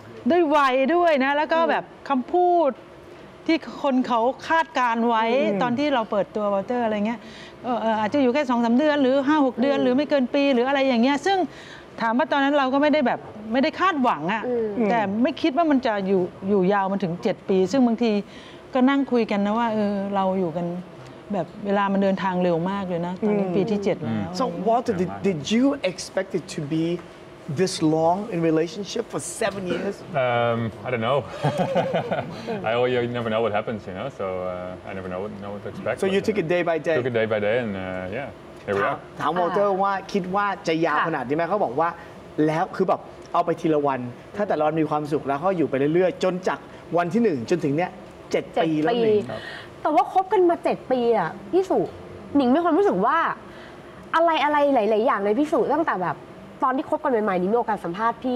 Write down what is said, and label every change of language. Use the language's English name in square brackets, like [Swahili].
[Thai] ด้วยวัยด้วยนะแล้วก็แบบคำพูดที่คนเขาคาดการไว้ตอนที่เราเปิดตัววอลเตอร์อะไรเงี้ยอาจจะอยู่แค่ 2-3 เดือนหรือ 5-6 เดือนหรือไม่เกินปีหรืออะไรอย่างเงี้ยซึ่งถามว่าตอนนั้นเราก็ไม่ได้แบบไม่ได้คาดหวังอะแต่ไม่คิดว่ามันจะอยู่ยาวมาถึง7ปีซึ่งบางทีก็นั่งคุยกันนะว่าเราอยู่กันแบบเวลามันเดินทางเร็วมากเลยนะตอนนี้ปีที่7แล้ว [English] So what did you expect it to be this long in relationship for 7 years I don't know I always never know what happens you know so I never know what to expect So you took it day by day Took it day by day and yeah here we are [Thai] ถามวอลเตอร์ว่าคิดว่าจะยาวขนาดนี้ไหมเขาบอกว่าแล้วคือแบบเอาไปทีละวันถ้าแต่ละวันมีความสุขแล้วก็อยู่ไปเรื่อยๆจนจากวันที่1จนถึงเนี้ย7ปีแล้วนี่แต่ว่าคบกันมา7ปีอ่ะพี่สุหนิงมีความรู้สึกว่าอะไรอะไรหลายๆอย่างเลยพี่สุตั้งแต่แบบตอนที่คบกันใหม่ๆนี้มีโอกาสสัมภาษณ์พี